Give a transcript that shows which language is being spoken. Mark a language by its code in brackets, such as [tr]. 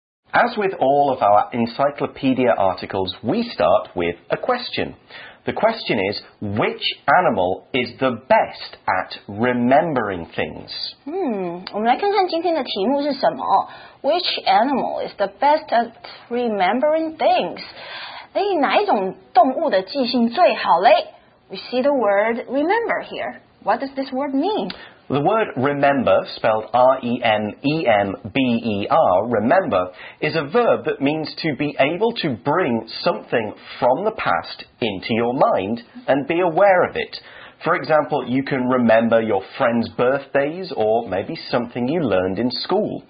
[en] As with all of our encyclopedia articles, we start with a question. The question is, which animal is the best at remembering things? [zh] 我们来看看今天的题目是什么。 [en] Which animal is the best at remembering things? [zh] 哎，哪一种动物的记性最好嘞？ [en] We see the word remember here. What does this word mean? The word remember, spelled R-E-M-E-M-B-E-R, remember, is a verb that means to be able to bring something from the past into your mind and be aware of it. For example, you can remember your friends' birthdays or maybe something you learned in school.